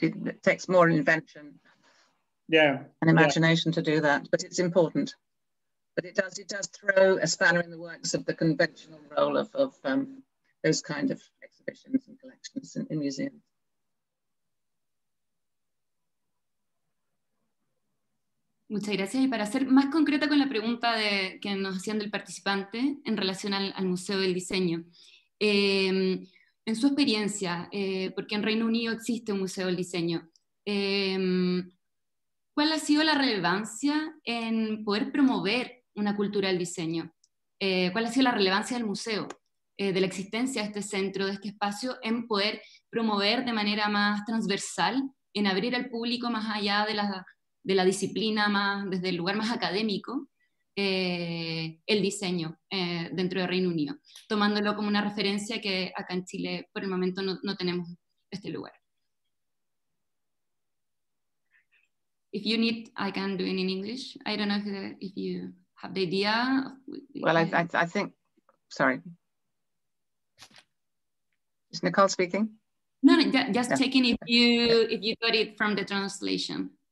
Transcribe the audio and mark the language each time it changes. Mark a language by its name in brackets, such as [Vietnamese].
[English] It takes more invention and imagination to do that. But it's important. But it does throw a spanner in the works of the conventional role of those kind of exhibitions and collections in museums. [Spanish] Muchas gracias. Y para ser más concreta con la pregunta que nos hacían del participante en relación al Museo del Diseño, en su experiencia, porque en Reino Unido existe un Museo del Diseño, ¿cuál ha sido la relevancia en poder promover una cultura del diseño? ¿Cuál ha sido la relevancia del museo, de la existencia de este centro, de este espacio, en poder promover de manera más transversal, en abrir al público más allá de la disciplina, más desde el lugar más académico, el diseño dentro del Reino Unido, tomándolo como una referencia que acá en Chile por el momento no tenemos este lugar. [English] If you need, I can do it in English. I don't know if you have the idea. Well, I think, sorry. Is Nicole speaking? No, just checking if you got it from the translation.